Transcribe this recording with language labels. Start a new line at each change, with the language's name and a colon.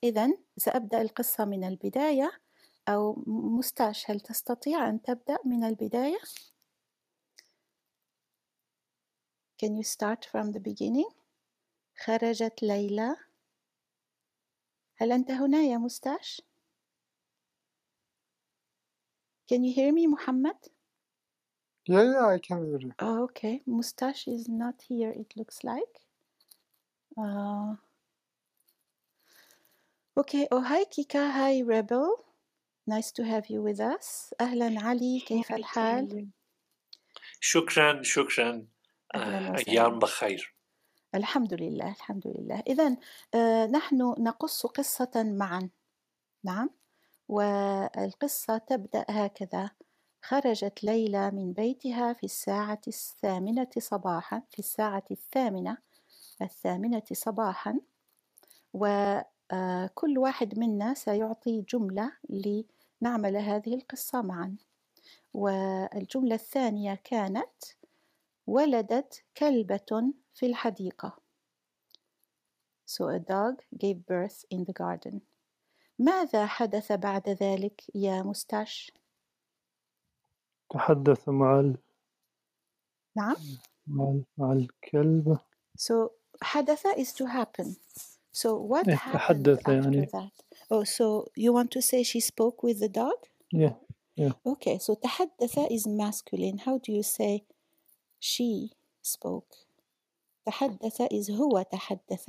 Arabic: إذن سأبدأ القصة من البداية. أو مستاش هل تستطيع أن تبدأ من البداية؟
English: Can you start from the beginning?
Arabic: خرجت ليلى. هل أنت هنا يا مستاش؟
English: Can you hear me,
Arabic: محمد؟
English: Yeah, I can hear you. Oh, okay. Mustache is not here, it looks like. Okay. Oh, hi, Kika. Hi, Rebel. Nice to have you with us.
Arabic: أهلاً علي. كيف الحال؟ شكراً شكراً. أيام بخير. الحمد لله الحمد لله. إذن نحن نقص قصة معاً. نعم. والقصة تبدأ هكذا. خرجت ليلى من بيتها في الساعة الثامنة صباحاً. في الساعة الثامنة صباحاً. و كل واحد منا سيعطي جملة لنعمل هذه القصة معا. والجملة الثانية كانت: ولدت كلبة في الحديقة.
English: So a dog gave birth in the garden.
Arabic: ماذا حدث بعد ذلك يا مستاش؟ تحدث مع ال... نعم؟ مع الكلب.
English: So حدث is to happen. So what happened after يعني. That? Oh, so you want to say she spoke with the dog? Yeah. Yeah. Okay, so تحدث is masculine. How do you say she spoke?
Arabic: تحدث is هو تحدث.